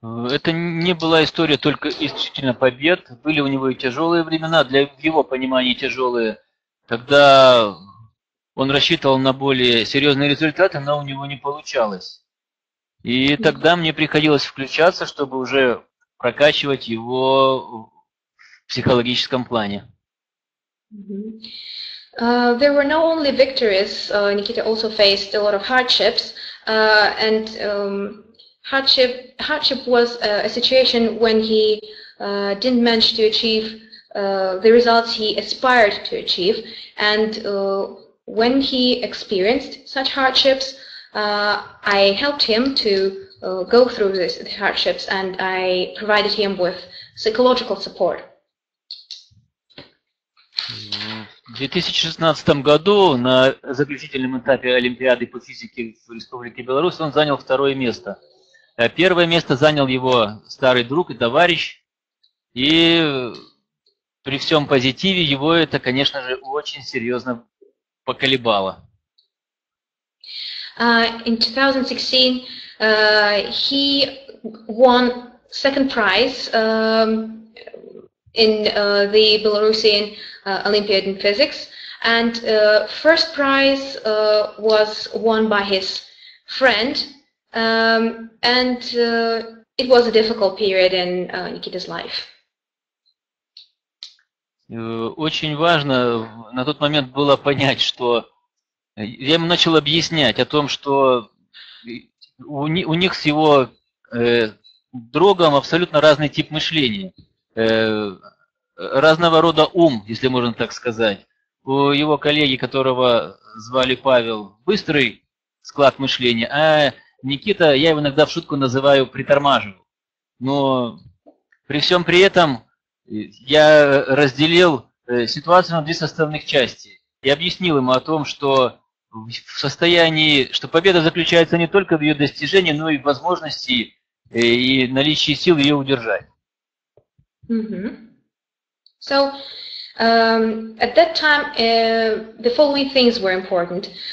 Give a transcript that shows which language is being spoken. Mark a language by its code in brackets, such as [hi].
[ru] Это не была история только исключительно побед. Были у него и тяжелые времена, для его понимания тяжелые. Тогда он рассчитывал на более серьезные результаты, но у него не получалось. И тогда мне приходилось включаться, чтобы уже прокачивать его в психологическом плане. [en] There were not only victories, Nikita also faced a lot of hardships, and hardship was a situation when he didn't manage to achieve the results he aspired to achieve, and when he experienced such hardships, I helped him to go through these hardships, and I provided him with psychological support. [ru] В 2016 году на заключительном этапе Олимпиады по физике в Республике Беларусь он занял второе место. Первое место занял его старый друг и товарищ. И при всем позитиве его это, конечно же, очень серьезно поколебало. [en] In 2016 he won second prize in the Belarusian Olympiad in physics, and first prize was won by his friend, and it was a difficult period in Nikita's life. [ru] Очень важно на тот момент было понять, что я ему начал объяснять о том, что у них с его другом абсолютно разный тип мышления. Разного рода ум, если можно так сказать. У его коллеги, которого звали Павел, быстрый склад мышления, а Никита, я его иногда в шутку называю, притормаживал. Но при всем при этом я разделил ситуацию на две составных части и объяснил ему о том, что в состоянии, что победа заключается не только в ее достижении, но и в возможности и наличии сил ее удержать. [en] So, at that time, the following things were important.